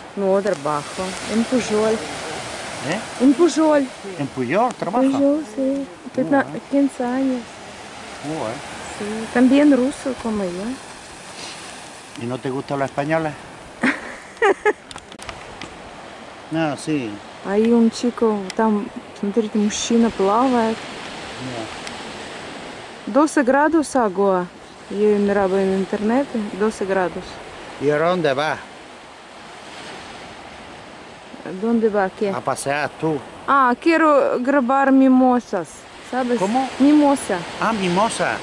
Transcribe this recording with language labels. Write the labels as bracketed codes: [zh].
[es] No, trabajo. En Pujol. ¿Eh? En Pujol. ¿En Pujol trabaja? Pujol, sí. 15 años. Sí. También ruso como yo. ¿Y no te gustan los españoles? No, sí. Ahí un chico, [ru] там, смотрите, мужчина плавает. [es] Doce grados agua. Yo miraba en internet, 12 grados. ¿Y a dónde va? ¿Dónde va qué? A pasear tú. Ah, quiero grabar mimosas, ¿sabes? ¿Cómo? Mimosa. Ah, mimosa.